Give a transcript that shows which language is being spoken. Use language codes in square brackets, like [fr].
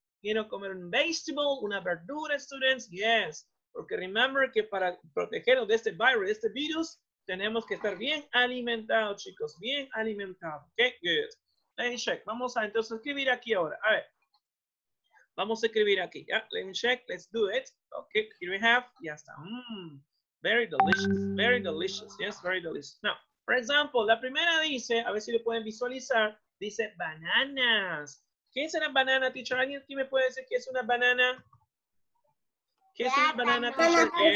[es] Quiero comer un vegetable, una verdura, [en] students. Yes. [es] Porque [en] remember [es] que para protegernos de este virus, de este virus, tenemos que estar bien alimentados, chicos. Bien alimentados. [en] Okay, good. Let me check. [es] Vamos a entonces escribir aquí ahora. A ver. Vamos a escribir aquí, ¿ya? [en] Let me check, let's do it. Okay, here we have, [es] ya está. [en] Mmm, very delicious, yes, very delicious. Now, for example, [es] la primera dice, a ver si lo pueden visualizar, dice bananas. ¿Qué es una banana, teacher? ¿Alguien aquí me puede decir qué es una banana? ¿Qué es una banana, teacher?